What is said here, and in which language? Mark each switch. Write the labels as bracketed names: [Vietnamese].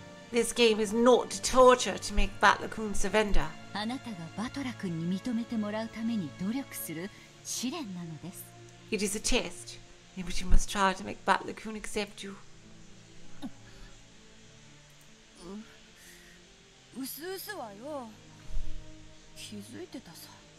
[English] This game is not to torture to make Battler-kun surrender. [Japanese] あなたがバトラ君に認めてもらうために努力する試練なのです。 [English] It is a test in which you must try to make Battler-kun accept you. [Japanese] うすうすわよ。気づいてたさ。